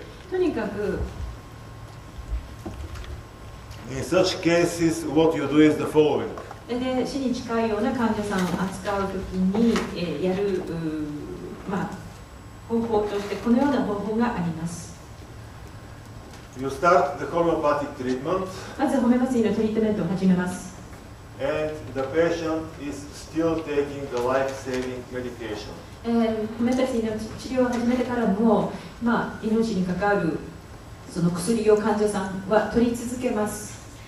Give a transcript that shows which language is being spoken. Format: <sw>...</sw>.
<ja>とにかく</ja> <en>in such cases, what you do is the following.</en> <ja>で、死に近いような患者さんを扱うときに、やる、まあ、方法としてこのような方法があります。</ja> <en>You start the homeopathic treatment.</en> <ja>まずホメオパシーのトリートメントを始めます。</ja> <en>And the patient is still taking the life-saving medication.</en> <ja>ホメオパシーの治療を始めてからも、まあ、命に関わるその薬を患者さんは取り続けます。</ja>